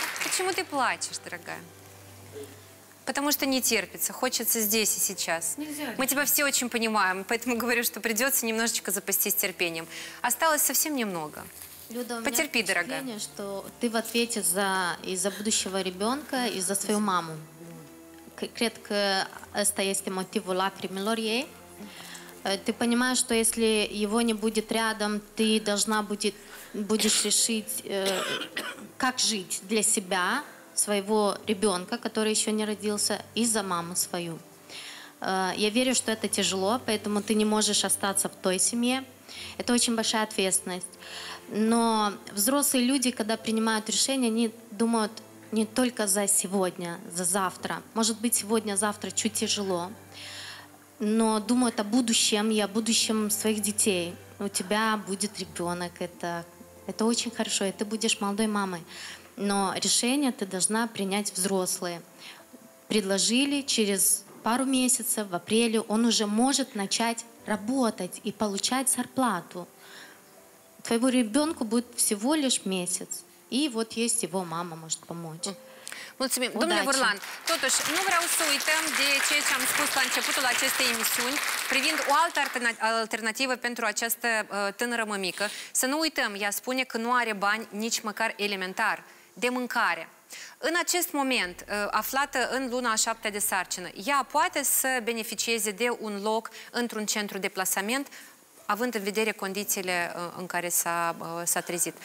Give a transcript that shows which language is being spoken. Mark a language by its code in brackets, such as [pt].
[ru] Почему ты плачешь, дорогая? Потому что не терпится, хочется здесь и сейчас. Нельзя. Мы тебя все очень понимаем, поэтому говорю, что придется немножечко запастись терпением. Осталось совсем немного. Люда, у потерпи, меня дорогая. Впечатление, что ты в ответе за будущего ребенка и за свою маму. [ro] Cred că ăsta este motivul lacrimilor ei. [ru] Ты понимаешь, что если его не будет рядом, ты должна будешь решить, как жить для себя, своего ребенка, который еще не родился, и за маму свою. Я верю, что это тяжело, поэтому ты не можешь остаться в той семье. Это очень большая ответственность. Но взрослые люди, когда принимают решения, они думают не только за сегодня, за завтра. Может быть, сегодня-завтра чуть тяжело, но думаю о будущем и о будущем своих детей. У тебя будет ребенок. Это очень хорошо, и ты будешь молодой мамой. Но решение ты должна принять взрослые. Предложили через пару месяцев, в апреле, он уже может начать работать и получать зарплату. Твоему ребенку будет всего лишь месяц. И вот есть его мама, может помочь. [ro] Mulțumim. Domnule Vârlan, totuși, nu vreau să uităm de ceea ce am spus la începutul acestei emisiuni, privind o altă alternativă pentru această tânără mămică. Să nu uităm, ea spune că nu are bani nici măcar elementar de mâncare. În acest moment, aflată în luna a șaptea de sarcină, ea poate să beneficieze de un loc într-un centru de plasament, având în vedere condițiile în care s-a trezit.